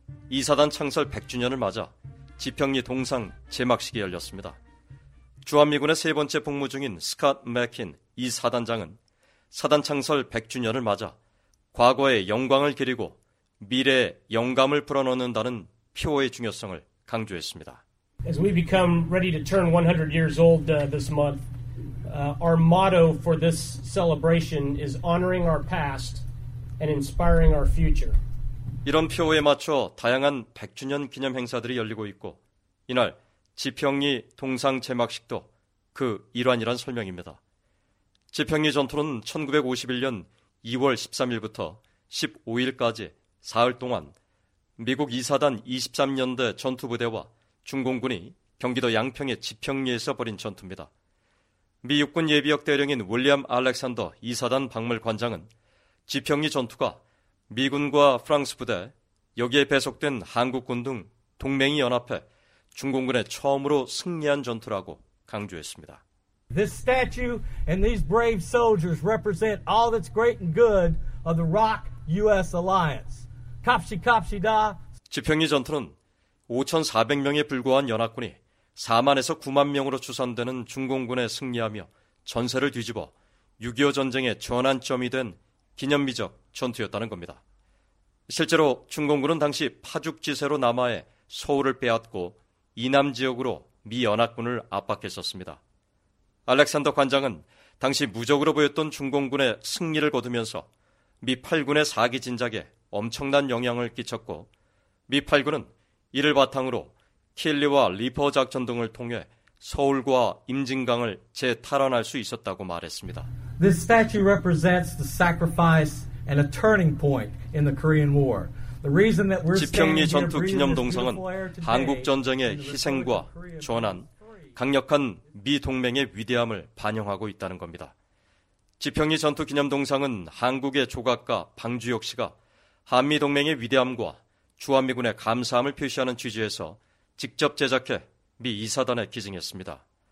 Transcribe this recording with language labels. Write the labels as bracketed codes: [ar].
[ko] 2사단 창설 100주년을 맞아 지평리 동상 제막식이 열렸습니다. 주한미군의 세 번째 복무 중인 스캇 맥힌 2사단장은 사단 창설 100주년을 맞아 과거의 영광을 기리고 미래의 영감을 불어넣는다는 표어의 중요성을 강조했습니다. [en] As we become ready to turn 100 years old this month, our motto for this celebration is honoring our past and inspiring our future. [ko] 이런 표어에 맞춰 다양한 100주년 기념 행사들이 열리고 있고 이날 지평리 동상 제막식도 그 일환이란 설명입니다. 지평리 전투는 1951년 2월 13일부터 15일까지 사흘 동안 미국 2사단 23연대 전투부대와 중공군이 경기도 양평의 지평리에서 벌인 전투입니다. 미 육군 예비역 대령인 윌리엄 알렉산더 2사단 박물관장은 지평리 전투가 미군과 프랑스 부대, 여기에 배속된 한국군 등 동맹이 연합해 중공군에 처음으로 승리한 전투라고 강조했습니다. [en] This statue and these brave soldiers represent all that's great and good of the ROK US alliance. [ko] 캅시캅시다. 지평리 전투는 5,400명에 불과한 연합군이 4만에서 9만 명으로 추산되는 중공군에 승리하며 전세를 뒤집어 6.25 전쟁의 전환점이 된 기념비적 전투였다는 겁니다. 실제로 중공군은 당시 파죽지세로 남하에 서울을 빼앗고 이남 지역으로 미 연합군을 압박했었습니다. 알렉산더 관장은 당시 무적으로 보였던 중공군의 승리를 거두면서 미 8군의 사기 진작에 엄청난 영향을 끼쳤고 미 8군은 이를 바탕으로 킬리와 리퍼 작전 등을 통해 서울과 임진강을 재탈환할 수 있었다고 말했습니다. [en] This statue represents the sacrifice and a turning point in the Korean War. [ko] 지평리 전투 기념 동상은 한국 전쟁의 희생과 전환, 강력한 미 동맹의 위대함을 반영하고 있다는 겁니다. 지평리 전투 기념 동상은 한국의 조각가 방주혁 씨가 한미 동맹의 위대함과 주한미군의 감사함을 표시하는 취지에서 직접 제작해 미 이사단에 기증했습니다.